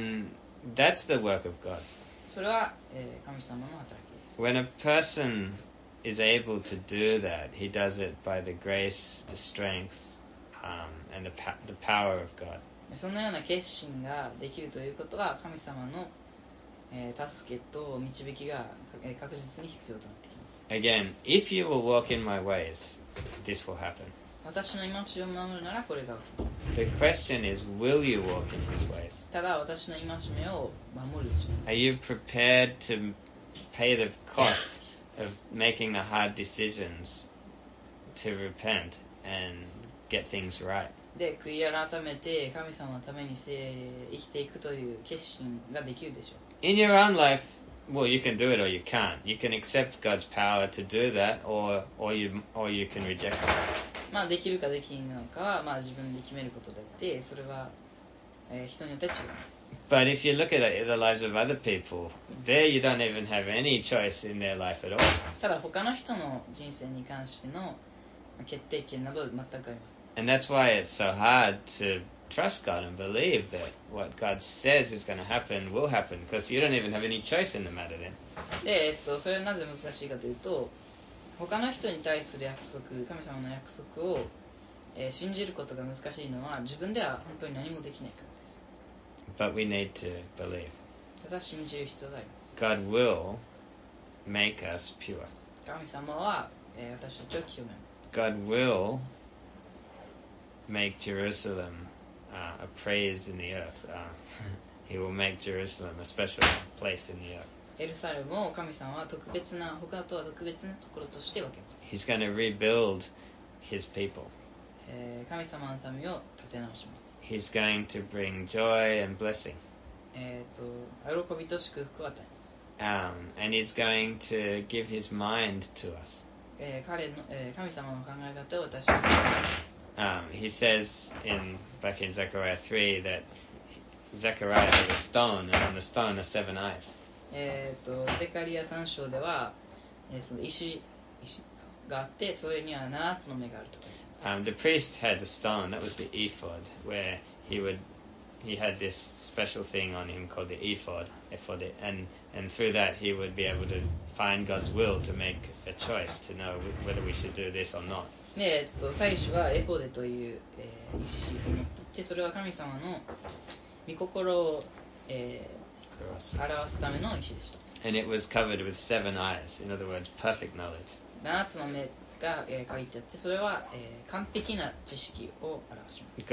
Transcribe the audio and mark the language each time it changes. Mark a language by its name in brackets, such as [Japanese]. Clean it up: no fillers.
[English] And that's the work of God. [Japanese] それは、神様の働きです。 [English] When a personis able to do that, he does it by the grace, the strength, and the power of God. [Japanese] そのような決心ができるということは、神様の、助けと導きが、確実に必要となってきます。 [English] Again, if you will walk in my ways, this will happen. [Japanese] 私の戒めを守るならこれが起きます。 [English] The question is, will you walk in his ways? [Japanese] ただ私の戒めを守るでしょう。 [English] Are you prepared to pay the cost? of making the hard decisions to repent and get things right. [Japanese] で、悔い改めて神様のために生きていくという決心ができるでしょう。 [English] In your own life, well, you can do it or you can't. You can accept God's power to do that or you can reject it. [Japanese] まあできるかできないのかは、まあ自分で決めることであって、それは、人によって違います。 [English] But if you look at the lives of other people, there you don't even have any choice in their life at all. [Japanese] ただ他の人の人生に関しての決定権など全くありません。 [English] And that's why it's so hard to trust God and believe that what God says is going to happen will happen, because you don't even have any choice in the matter then. [Japanese] で、それはなぜ難しいかというと、他の人に対する約束、神様の約束を、信じることが難しいのは、自分では本当に何もできないからです。 [English] But we need to believe. [Japanese] ただ信じる必要があります。 [English] God will make us pure. [Japanese] 神様は、私たちを清めます。 [English] God will make Jerusalem, a praise in the earth. He will make Jerusalem a special place in the earth. [Japanese] エルサレムを神様は特別な、他とは特別なところとして分けます。 [English] He's going to rebuild his people. [Japanese] 神様の民を立て直します。 [English] He's going to bring joy and blessing. [Japanese] 喜びと祝福を与えます。 [English] And he's going to give his mind to us. [Japanese] 彼の、神様の考え方を私に与えます。 [English] He says in back in Zechariah 3 that Zechariah is a stone, and on the stone are seven eyes. [Japanese] ゼカリア3章では、その石があって、それには七つの目があると。 [English] The priest had a stone, that was the ephod, where he had this special thing on him called the ephod, and through that he would be able to find God's will to make a choice to know whether we should do this or not. [Japanese] 祭司はエフォデという、石を持っていて、それは神様の御心を、表すための石でした。 [English] And it was covered with seven eyes, in other words, perfect knowledge. [Japanese] 七つの目が書いてあって、それは、完璧な知識を表します。